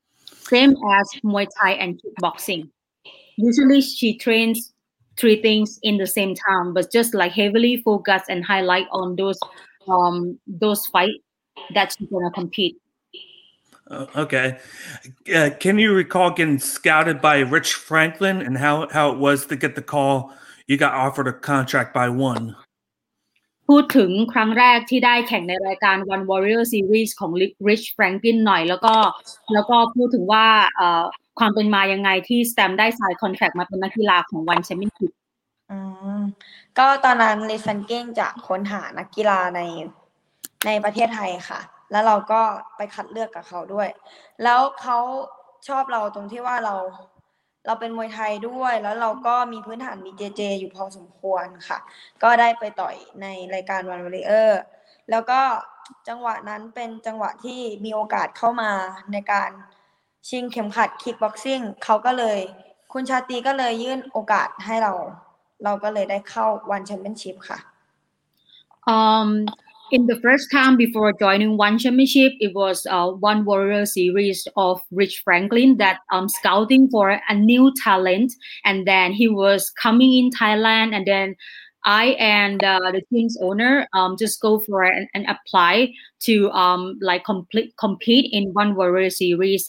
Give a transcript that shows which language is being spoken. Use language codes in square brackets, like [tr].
[en] Same as Muay Thai and kickboxing. Usually she trains three things in the same time, but just like heavily focus and highlight on those fights that she's gonna compete. Okay. Can you recall getting scouted by Rich Franklin and how it was to get the call you got offered a contract by ONE? [th] พูดถึงครั้งแรกที่ได้แข่งในรายการ ONE Warrior Series ของ Rich Franklin หน่อยแล้วก็พูดถึงว่าความเป็นมายังไงที่ Stamp ได้ [en] sign contract [th] มาเป็นนักกีฬาของ ONE Championship ก็ตอนนั้น Rich Franklin จะค้นหานักกีฬาในประเทศไทยค่ะแล้วเราก็ไปคัดเลือกกับเขาด้วยแล้วเขาชอบเราตรงที่ว่าเรา เป็นมวยไทยด้วยแล้วเราก็มีพื้นฐาน BJJ อยู่พอสมควรค่ะก็ได้ไปต่อยในรายการ ONE Warrior แล้วก็จังหวะนั้นเป็นจังหวะที่มีโอกาสเข้ามาในการชิงเข็มขัดคิกบ็อกซิ่งเขาก็เลยคุณชาตรีก็เลยยื่นโอกาสให้เราก็เลยได้เข้า ONE Championship ค่ะ [en] In the first time before joining ONE Championship, it was ONE Warrior Series of Rich Franklin that scouting for a new talent. And then he was coming in Thailand. And then I and the team's owner just go for it and apply to compete in ONE Warrior Series.